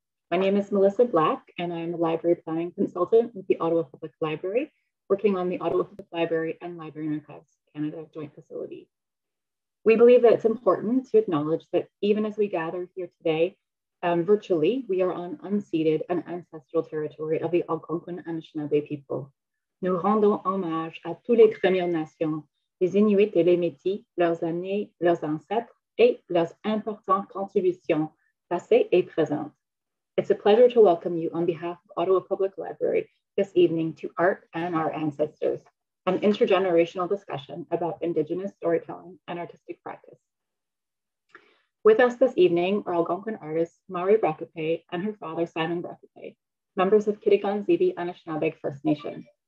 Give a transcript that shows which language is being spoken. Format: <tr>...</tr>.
<en>My name is Melissa Black, and I'm a library planning consultant with the Ottawa Public Library, working on the Ottawa Public Library and Library and Archives Canada joint facility. We believe that it's important to acknowledge that even as we gather here today, virtually, we are on unceded and ancestral territory of the Algonquin Anishinaabe people.</en> <fr>Nous rendons hommage à tous les Premières Nations, les Inuits et les Métis, leurs aînés, leurs ancêtres, et leurs importantes contributions, passées et présentes.</fr> <en>It's a pleasure to welcome you on behalf of Ottawa Public Library this evening to Art and Our Ancestors, an intergenerational discussion about Indigenous storytelling and artistic practice. With us this evening are Algonquin artist Mairi Brascoupé and her father Simon Brascoupé, members of Kitikan-Zibi Anishinaabeg First Nation.</en>